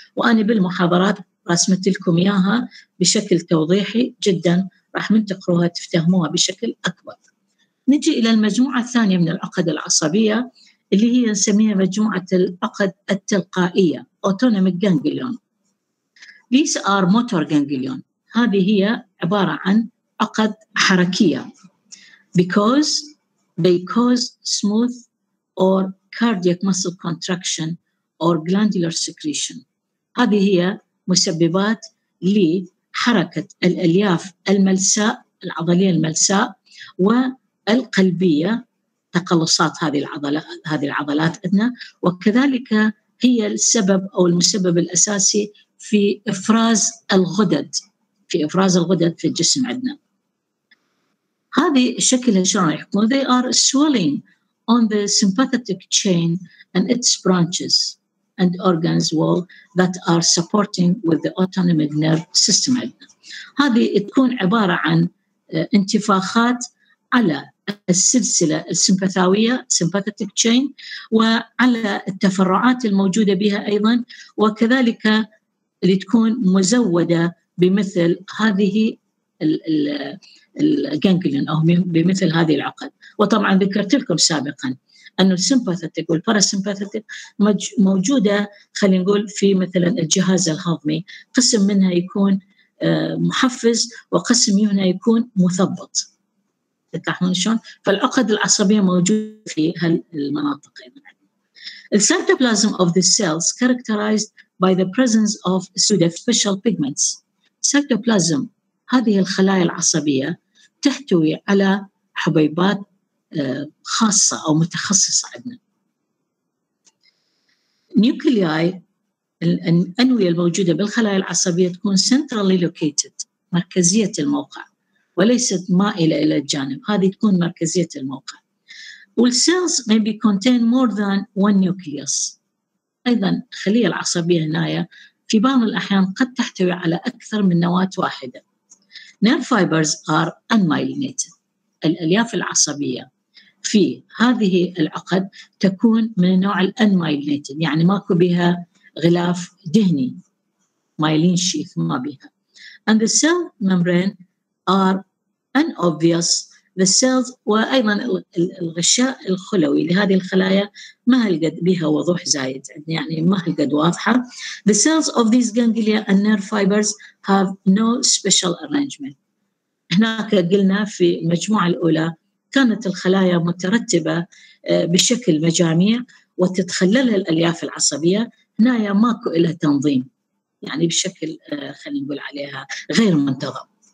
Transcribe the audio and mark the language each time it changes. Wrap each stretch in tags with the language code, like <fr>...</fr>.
<ar>وأنا بالمحاضرات رسمت لكم إياها بشكل توضيحي جدا، راح من تقروها تفتهموها بشكل أكبر. نجي إلى المجموعة الثانية من العقد العصبية اللي هي نسميها مجموعة العقد التلقائية autonomic ganglion.</ar> <en>These are motor ganglion.</en> <ar>هذه هي عبارة عن عقد حركية</ar> <en>because they cause smooth or cardiac muscle contraction or glandular secretion.</en> <ar>هذه هي مسببات لحركة الألياف الملساء، العضلية الملساء والقلبية، تقلصات هذه العضلات، هذه العضلات عندنا، وكذلك هي السبب او المسبب الاساسي في افراز الغدد، في افراز الغدد في الجسم عندنا. هذه شكلها شلون يكون؟</ar> <en>They are swelling on the sympathetic chain and its branches and organs wall that are supporting with the autonomic nerve system عندنا.</en> <ar>هذه تكون عباره عن انتفاخات على السلسلة السمبثاوية sympathetic chain وعلى التفرعات الموجودة بها أيضا، وكذلك اللي تكون مزودة بمثل هذه الجانجليون أو بمثل هذه العقد. وطبعا ذكرت لكم سابقا أن السمبثاتيك والباراسمبثاتيك موجودة خلينا نقول في مثلا الجهاز الهضمي، قسم منها يكون محفز وقسم منها يكون مثبط. فالعقد العصبية موجود في هالمناطق.</ar> <en>The cytoplasm of the cells characterized by the presence of pseudofacial pigments.</en> <ar>Cytoplasm، هذه الخلايا العصبية تحتوي على حبيبات خاصة أو متخصصة عندنا. Nuclei، الأنوية الموجودة بالخلايا العصبية تكون centrally located، مركزية الموقع، وليست مائلة إلى الجانب، هذه تكون مركزية الموقع.</ar> <en>والسيلز may be contain more than one nucleus.</en> <ar>أيضاً الخلية العصبية هنا في بعض الأحيان قد تحتوي على أكثر من نواة واحدة.</ar> <en>Nerve fibers are unmyelinated.</en> <ar>الألياف العصبية في هذه العقد تكون من نوع unmyelinated، يعني ماكو بها غلاف دهني، myelin sheath ما بها.</ar> <en>And the cell membrane are unobvious.</en> <ar>The cells وأيضا الغشاء الخلوي لهذه الخلايا ما هالقد بها وضوح زايد، يعني ما هالقد واضحة.</ar> <en>The cells of these ganglia and nerve fibers have no special arrangement.</en> <ar>هناك قلنا في المجموعة الأولى كانت الخلايا مترتبة بشكل مجاميع وتتخللها الألياف العصبية، هنا ماكو إلها تنظيم، يعني بشكل خلينا نقول عليها غير منتظم.</ar>